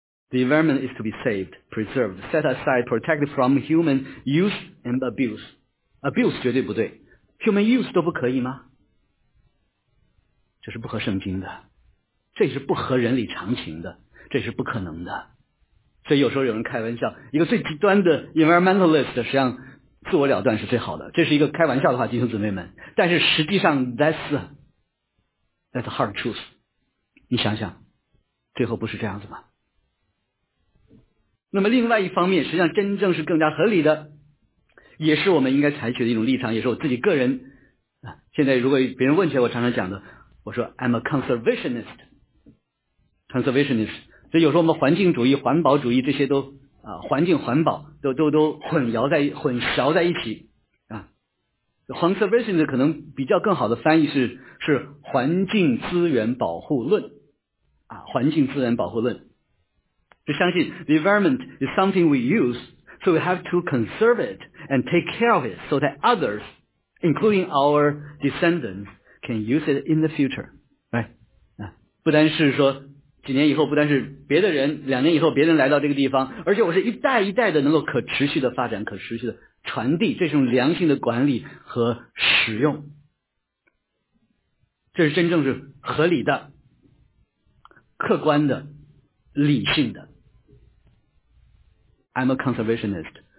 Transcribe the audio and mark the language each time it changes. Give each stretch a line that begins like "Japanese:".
English: The environment is to be saved, preserved, set aside, protected from human use and abuse。 Abuse
Chinese: 绝对不对，
English: human use
Chinese: 都不可以吗？这是不合圣经的，这是不合人理常情的，这是不可能的。所以有时候有人开玩笑，一个最极端的 environmentalist 实际上自我了断是最好的，这是一个开玩笑的话，弟兄姊妹们，但是实际上
English: that's hard truth。
Chinese: 你想想最后不是这样子吗？那么另外一方面，实际上真正是更加合理的，也是我们应该采取的一种立场，也是我自己个人现在如果别人问起来，我常常讲的，我说
English: I'm a conservationist。
Chinese: 所以有时候我们环境主义环保主义这些都环境环保都混淆在一起啊。 conservationist 可能比较更好的翻译是环境资源保护论啊，环境资源保护论，就相信
English: the environment is something we useSo we have to conserve it and take care of it so that others, including our descendants, can use it in the future. Right?
Chinese: 不单是说几年以后，不单是别的人，两年以后别人来到这个地方，而且我是一代一代的能够可持续的发展，可持续的传递，这种良性的管理和使用。这是真正是合理的、客观的、理性的。
English: I'm a conservationist，